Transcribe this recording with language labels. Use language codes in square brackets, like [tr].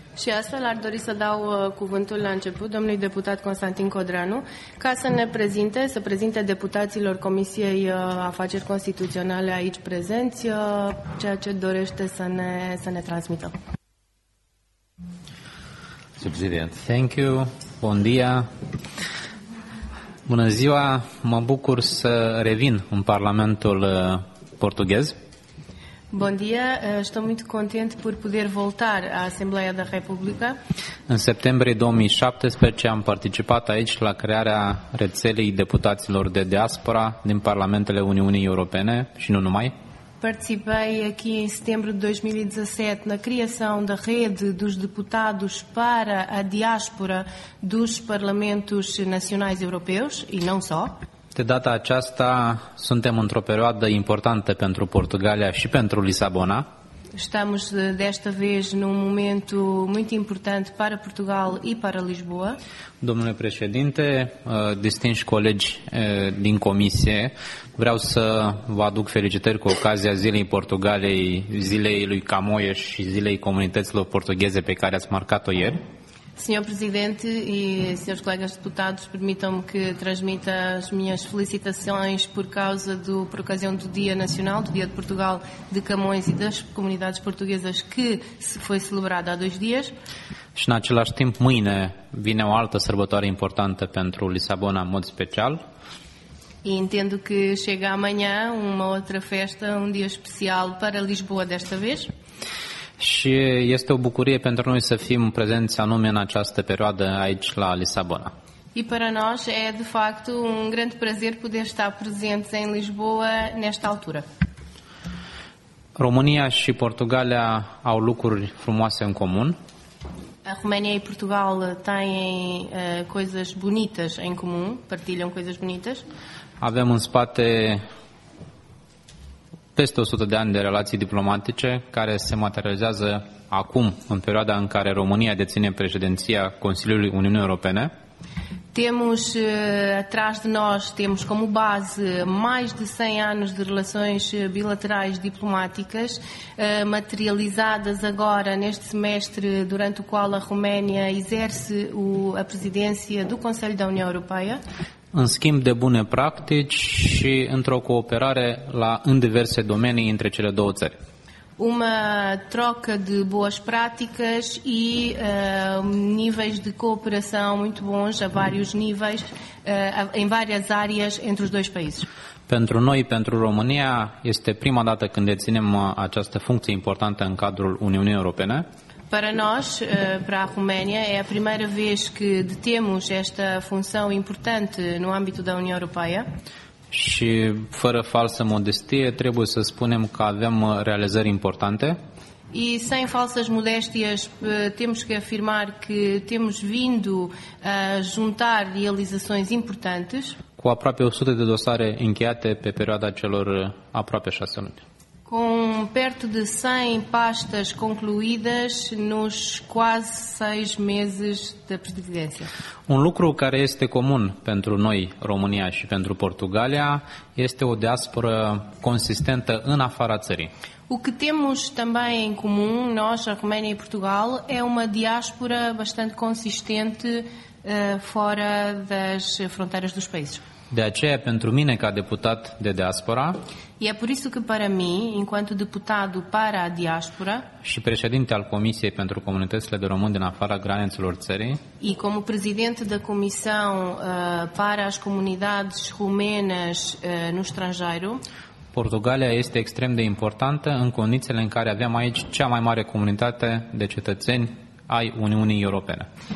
[ro] Și astfel ar dori să dau cuvântul la început domnului deputat Constantin Cunteanu ca să ne prezinte, să prezinte deputaților Comisiei Afaceri Constituționale aici prezenți ceea ce dorește să ne transmită. [en] Sir President. Thank you. [ca] Bon dia. [ro] Bună ziua. Mă bucur să revin în Parlamentul portughez. [pt] Bom dia, estou muito contente por poder voltar à Assembleia da República. Em setembro de 2017, [ro] am participat aici la crearea rețelei deputaților de diaspora din parlamentele Uniunii Europene și nu numai. [pt] Participei aqui em setembro de 2017 na criação da rede dos deputados para a diáspora dos parlamentos nacionais europeus e não só. [ro] De data aceasta suntem într-o perioadă importantă pentru Portugalia și pentru Lisabona. [pt] Estamos desta vez num momento muito importante para Portugal e para Lisboa. [ro] Domnule președinte, distinși colegi din comisie, vreau să vă aduc felicitări cu ocazia Zilei Portugalei, Zilei lui Camões și Zilei Comunităților Portugheze pe care ați marcat-o ieri. [pt] Senhor Presidente e senhores colegas deputados, permitam-me que transmita as minhas felicitações por ocasião do Dia Nacional, do Dia de Portugal de Camões e das comunidades portuguesas que foi celebrado há dois dias. [ro] Și în același timp, mâine vine o altă sărbătoare importantă pentru Lisabona în mod special. [pt] E entendo que chega amanhã uma outra festa, um dia especial para Lisboa desta vez. [ro] Și este o bucurie pentru noi să fim prezenți anume în această perioadă aici la Lisabona. [pt] E para nós é de facto um grande prazer poder estar presentes em Lisboa nesta altura. [ro] România și Portugalia au lucruri frumoase în comun. [pt] A România e Portugal têm coisas bonitas em comum, partilham coisas bonitas. [ro] Avem în spate peste 100 de ani de relații diplomatice care se materializează acum, în perioada în care România deține președinția Consiliului Uniunii Europene. [pt] Temos atrás de nós, temos como base mais de 100 anos de relações bilaterais diplomáticas, materializadas agora neste semestre, durante o qual a Roménia exerce a presidência do Conselho da União Europeia. [ro] În schimb de bune practici și într-o cooperare la în diverse domenii între cele două țări. [pt] Uma troca de boas práticas e níveis de cooperação muito bons a vários níveis, em várias áreas entre os dois países. [ro] Pentru noi, pentru România, este prima dată când deținem această funcție importantă în cadrul Uniunii Europene. [pt] Para nós, para a Roménia, é a primeira vez que detemos esta função importante no âmbito da União Europeia. [ro] Și fără falsă modestie, trebuie să spunem că avem realizări importante. [pt] E sem falsas modéstias, temos que afirmar que temos vindo a juntar realizações importantes. [ro] Cu aproape 100 de dosare încheiate pe perioada celor aproape 6 luni. [pt] Com perto de 100 pastas concluídas nos quase 6 meses da presidência. [ro] Um lucro care este comum pentru noi, România și pentru Portugalia, este o diaspora consistentă în afara țării. [pt] O que temos também em comum, nós, a Roménia e Portugal, é uma diáspora bastante consistente fora das fronteiras dos países. [ro] De aceea, pentru mine, ca deputat de diaspora, [pt] e é por isso que para mim, enquanto deputado para a diáspora, [ro] și președinte al Comisiei pentru Comunitățile de Români din afara granițelor țării, [pt] e como presidente da comissão para as comunidades rumenas no estrangeiro, [ro] Portugalia este extrem de importantă în condițiile în care avem aici cea mai mare comunitate de cetățeni ai Uniunii Europene.